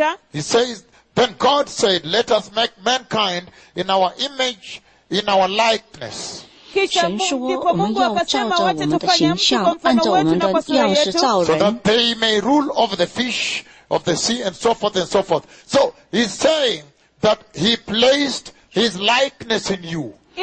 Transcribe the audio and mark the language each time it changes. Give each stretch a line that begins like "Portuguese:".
English: He says, Then God said, Let us make mankind in our image, in our likeness.
Chinese: 神说，我们要照着我们的形象，按照我们的样式造人。
English: So that they may rule over the fish of the sea and so forth and so forth. So he's saying that he placed his likeness in you.